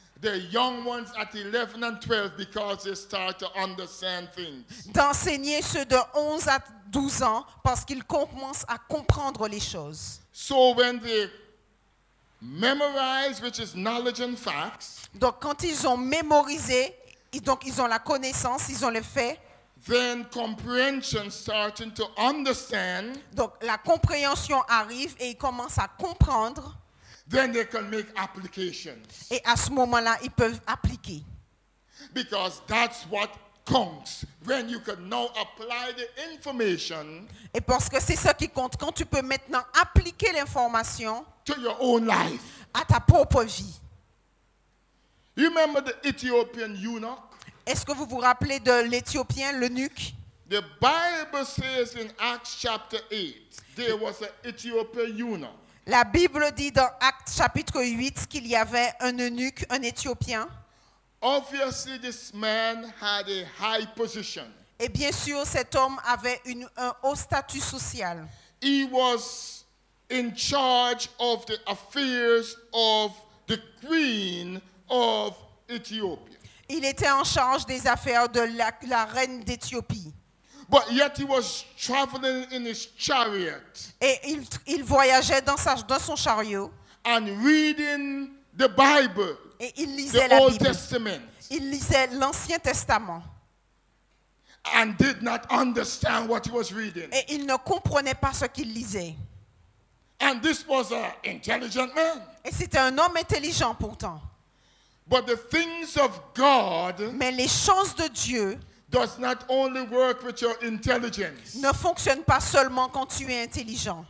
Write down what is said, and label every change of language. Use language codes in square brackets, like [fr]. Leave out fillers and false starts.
[en] the young ones at 11 and 12 because they start to understand things. [fr] D'enseigner ceux de 11 à 12 ans parce qu'ils commencent à comprendre les choses. [en] So when they memorize, which is knowledge and facts. [fr] Donc quand ils ont mémorisé, donc ils ont la connaissance, ils ont le fait. [en] Then comprehension starting to understand. [fr] Donc la compréhension arrive et ils commencent à comprendre. [en] Then they can make applications. [fr] Et à ce moment-là, ils peuvent appliquer. [en] Because that's what counts when you can now apply the information. [fr] Et parce que c'est ça qui compte quand tu peux maintenant appliquer l'information [en] to your own life. [fr] À ta propre vie. [en] You remember the Ethiopian eunuch? [fr] Est-ce que vous vous rappelez de l'Éthiopien, l'eunuque? [en] The Bible says in Acts chapter 8, there was an Ethiopian eunuch. [fr] La Bible dit dans Actes chapitre 8 qu'il y avait un eunuque, un Éthiopien. [en] Obviously, this man had a high position. [fr] Et bien sûr, cet homme avait un haut statut social. [en] He was in charge of the affairs of the queen of Ethiopia. [fr] Il était en charge des affaires de la reine d'Éthiopie. [en] But yet he was traveling in his chariot. [fr] Et il voyageait dans son chariot. [en] And reading the Bible. [fr] Et il lisait la [en] Old [fr] Bible. [en] Testament. [fr] Il lisait l'Ancien Testament. [en] And did not understand what he was reading. [fr] Et il ne comprenait pas ce qu'il lisait. [en] And this was an intelligent man. [fr] Et c'était un homme intelligent pourtant. [en] But the things of God. [fr] Mais les choses de Dieu. [en] Does not only work with your intelligence. [fr] Ne fonctionne pas seulement quand tu es intelligent.